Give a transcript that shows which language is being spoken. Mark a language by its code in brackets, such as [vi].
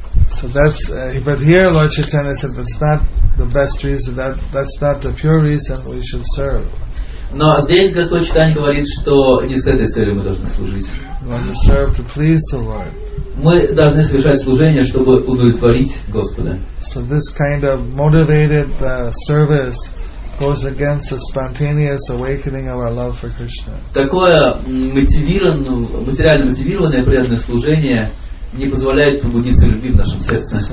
[en] So that's but here Lord Chaitanya said that's not the best reason, that's not the pure reason we should serve. [ru] Но здесь Господь Чайтанья говорит, что не с этой целью мы должны служить. [en] We should serve to please the Lord. [ru] Мы должны совершать служение, чтобы удовлетворить Господа. [en] So this kind of motivated service goes against the spontaneous awakening of our love for Krishna. [ru] Такое материально мотивированное преданное служение не позволяет пробудиться любви в нашем сердце.